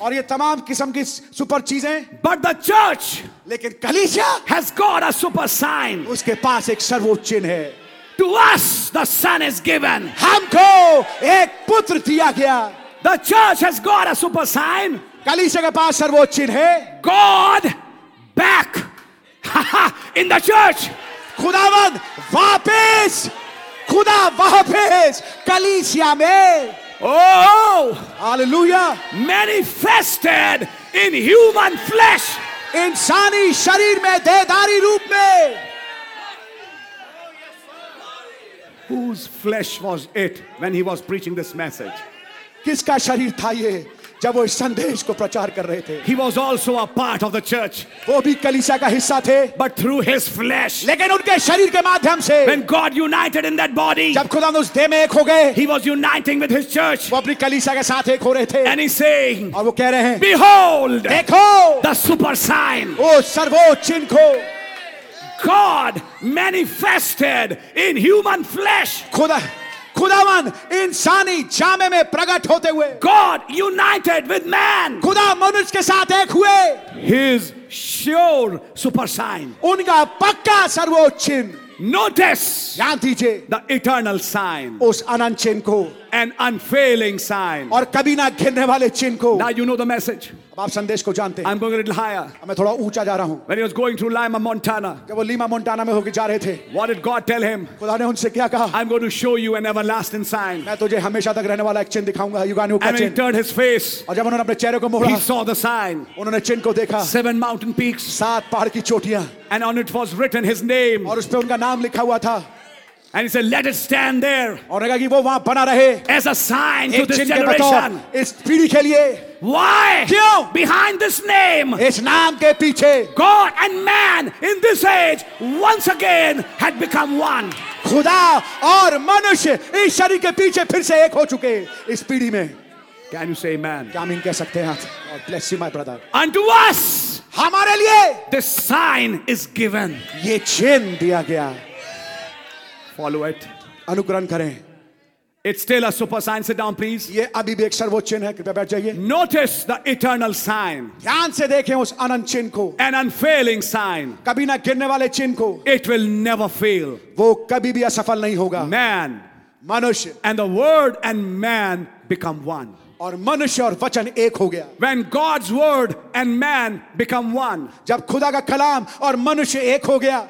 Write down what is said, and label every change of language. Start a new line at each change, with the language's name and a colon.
Hindi: और ये तमाम किस्म की सुपर चीजें.
English: But the church.
Hindi: लेकिन कलीसिया.
English: Has got a super sign.
Hindi: उसके पास एक सर्वोच्च चिन्ह है.
English: To us the son is given.
Hindi: हमको एक पुत्र दिया गया.
English: The church has got a super sign.
Hindi: कलीसिया के पास सर्वोच्च चिन्ह है.
English: God back in the church.
Hindi: खुदावन वापस. खुदा वापस कलीसिया में.
English: Oh, hallelujah! Manifested in human flesh.
Hindi: इंसानी शरीर में देहधारी रूप में.
English: Whose flesh was it when he was preaching this message?
Hindi: किसका शरीर था ये जब वो इस संदेश को प्रचार कर रहे थे
English: He was also a part of the church.
Hindi: वो भी कलीसिया का हिस्सा थे
English: But through his flesh.
Hindi: लेकिन उनके शरीर के माध्यम से
English: When God united in that body.
Hindi: जब खुदा उस देह में एक हो गए
English: He was uniting with his church.
Hindi: वो अपनी कलीसिया के साथ एक हो रहे थे
English: And he's saying.
Hindi: और वो कह रहे हैं
English: Behold.
Hindi: देखो.
English: The super sign.
Hindi: वो सर्वोच्च चिन्ह को
English: God manifested in human flesh.
Hindi: खुदा खुदावन इंसानी जामे में प्रकट होते हुए
English: God united with man.
Hindi: खुदा मनुष्य के साथ एक हुए
English: His sure super sign.
Hindi: उनका पक्का सर्वोच्च चिन्ह
English: Notice.
Hindi: याद दीजिए
English: The eternal sign.
Hindi: उस अनंत चिन्ह को
English: An unfailing sign.
Hindi: और कभी ना घिरने वाले चिन्ह को
English: Now you know the message.
Hindi: आप संदेश को जानते हैं।
English: I'm going a little higher.
Hindi: मैं थोड़ा ऊंचा जा रहा हूँ।
English: When he was going through Lima, Montana.
Hindi: जब वो लीमा मोंटाना में होके जा रहे थे।
English: What did God tell him?
Hindi: खुदा ने उनसे क्या कहा?
English: I'm going to show you an everlasting sign.
Hindi: मैं तुझे हमेशा तक रहने वाला एक चिन्ह दिखाऊंगा।
English: You got new And he turned his face.
Hindi: और जब उन्होंने अपने चेहरे को मोड़ा।
English: He saw the sign.
Hindi: उन्होंने चिन्ह को देखा।
English: Seven mountain peaks.
Hindi: सात पहाड़ की चोटियाँ।
English: And on it was written his name.
Hindi: और उस पे उनका नाम लिखा हुआ था।
English: And he said, "Let it stand there."
Hindi: और कहा कि वो वहाँ बना रहे।
English: As a sign to this generation.
Hindi: इस पीढ़ी के लिए।
English: Why?
Hindi: क्यों?
English: Behind this name.
Hindi: इस नाम के पीछे।
English: God and man in this age once again had become one.
Hindi: खुदा और मनुष्य इस शरीर के पीछे फिर से एक हो चुके इस पीढ़ी में।
English: Can you say, "Amen"?
Hindi: क्या मैं कह सकते हैं आप?
English: God bless you, my brother. Unto us.
Hindi: हमारे लिए।
English: This sign is given.
Hindi: ये चिन्ह दिया गया।
English: Follow it.
Hindi: अनुकरण करें।
English: It's still a super sign. Sit down, please.
Hindi: ये अभी भी एक सर्वोच्च चिन्ह है। कृपया बैठ जाइए।
English: Notice the eternal sign.
Hindi: ध्यान से देखें उस अनंत चिन्ह को।
English: An unfailing sign.
Hindi: कभी ना गिरने वाले चिन्ह को।
English: It will never fail.
Hindi: वो कभी भी असफल नहीं होगा।
English: Man,
Hindi: मनुष्य।
English: And the word and man become one.
Hindi: और मनुष्य और वचन एक हो गया।
English: When God's word and man become one,
Hindi: जब खुदा का कलाम और मनुष्य एक हो गया।